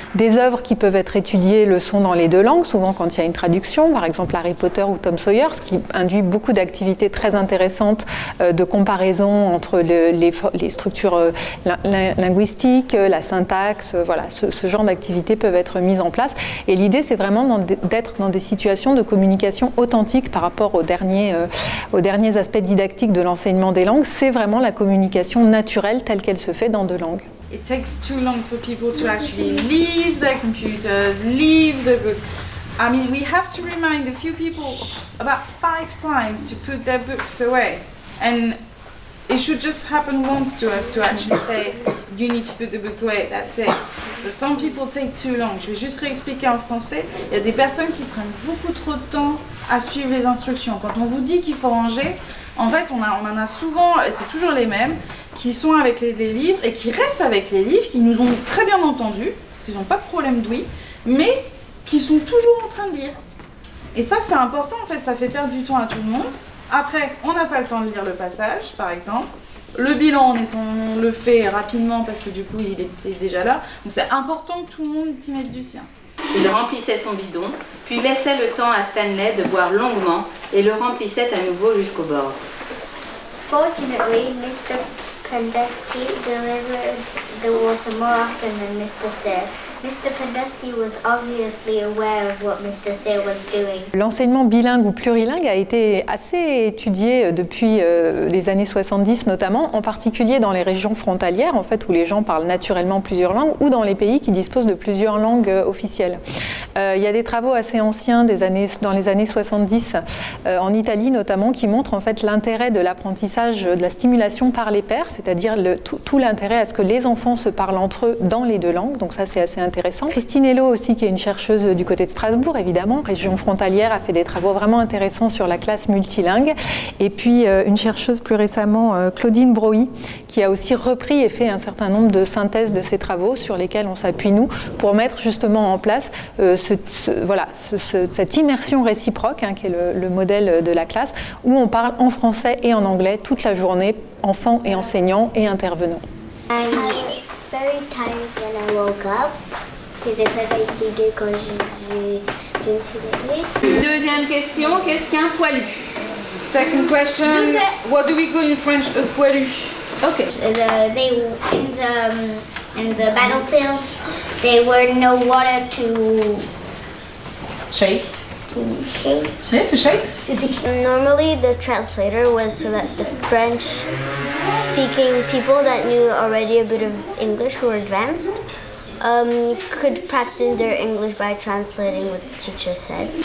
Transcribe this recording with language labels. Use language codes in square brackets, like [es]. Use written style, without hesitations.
[fr] Des œuvres qui peuvent être étudiées le sont dans les deux langues, souvent quand il y a une traduction, par exemple Harry Potter ou Tom Sawyer, ce qui induit beaucoup d'activités très intéressantes de comparaison entre les structures linguistiques, la syntaxe, voilà, ce genre d'activités peuvent être mise en place. Et l'idée, c'est vraiment d'être dans des situations de communication authentique par rapport aux derniers aspects didactiques de l'enseignement des langues. C'est vraiment la communication naturelle telle qu'elle se fait dans deux langues. [en] It takes too long for people to actually leave their computers, leave the books. I mean, we have to remind a few people about 5 times to put their books away. And it should just happen once to us to actually say, you need to put the book away, that's it. But some people take too long. [fr] Je vais juste réexpliquer en français. Il y a des personnes qui prennent beaucoup trop de temps à suivre les instructions. Quand on vous dit qu'il faut ranger, en fait, on en a souvent, et c'est toujours les mêmes, qui sont avec les livres et qui restent avec les livres, qui nous ont très bien entendus, parce qu'ils n'ont pas de problème d'ouïe, mais qui sont toujours en train de lire. Et ça, c'est important, en fait, ça fait perdre du temps à tout le monde. Après, on n'a pas le temps de lire le passage, par exemple. Le bilan, on le fait rapidement parce que du coup, c'est déjà là. Donc c'est important que tout le monde y mette du sien. Il remplissait son bidon, puis laissait le temps à Stanley de boire longuement et le remplissait à nouveau jusqu'au bord. [en] Fortunately, Mr. Pendesky delivered the water more often than Mr. Sir. Mr. Pendesky was obviously aware of what Mr. Sir was doing. [fr] L'enseignement bilingue ou plurilingue a été assez étudié depuis les années 70 notamment, en particulier dans les régions frontalières en fait, où les gens parlent naturellement plusieurs langues, ou dans les pays qui disposent de plusieurs langues officielles. Il y a des travaux assez anciens dans les années 70 en Italie notamment, qui montrent en fait l'intérêt de l'apprentissage, de la stimulation par les pairs, c'est-à-dire tout l'intérêt à ce que les enfants se parlent entre eux dans les deux langues. Donc ça, c'est assez intéressant. Christine Hello aussi, qui est une chercheuse du côté de Strasbourg, évidemment, région frontalière, a fait des travaux vraiment intéressants sur la classe multilingue. Et puis une chercheuse plus récemment, Claudine Broy, qui a aussi repris et fait un certain nombre de synthèses de ses travaux sur lesquels on s'appuie nous pour mettre justement en place cette immersion réciproque, hein, qui est le modèle de la classe, où on parle en français et en anglais toute la journée, enfants et enseignants et intervenants. [en] I was very tired when I woke up. [fr] J'étais très fatiguée quand je me suis réveillée. Deuxième question, qu'est-ce qu'un poilu? [en] Second question, what do we call in French a poilu? Okay. In the battlefields, there were no water to shave. Normally, the translator was so that the French speaking people that knew already a bit of English, who were advanced, could practice their English by translating what the teacher said.